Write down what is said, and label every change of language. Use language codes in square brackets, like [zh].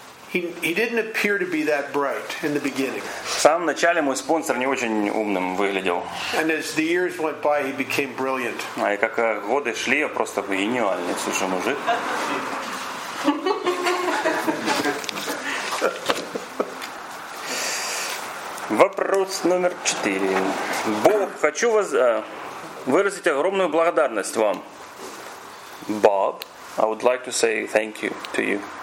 [en] He didn't appear to be that bright in the beginning. [ru] В самом начале мой спонсор не очень умным выглядел. [en] And as the years went by, he became brilliant. [ru] А и как годы шли, я просто гениальный, слушай, мужик. Вопрос номер 4. Бог, хочу вас выразить огромную благодарность вам. [en] Bob, I would like to say thank you to you.